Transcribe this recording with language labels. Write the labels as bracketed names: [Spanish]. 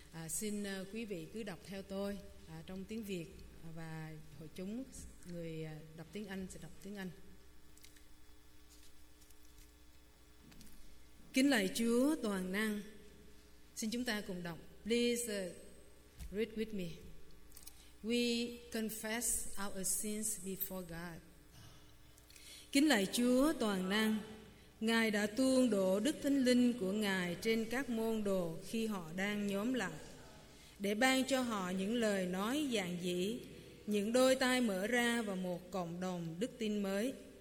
[Vietnamese] Xin quý vị cứ đọc theo tôi trong tiếng Việt, và hội chúng người đọc tiếng Anh sẽ đọc tiếng Anh. Kính lạy Chúa toàn năng, xin chúng ta cùng đọc. [English] Please read with me. We confess our sins before God. [Vietnamese] Kính lạy Chúa toàn năng, Ngài đã tuôn đổ Đức Thánh Linh của Ngài trên các môn đồ khi họ đang nhóm lại, để ban cho họ những lời nói giản dị, những đôi tai mở ra và một cộng đồng đức tin mới.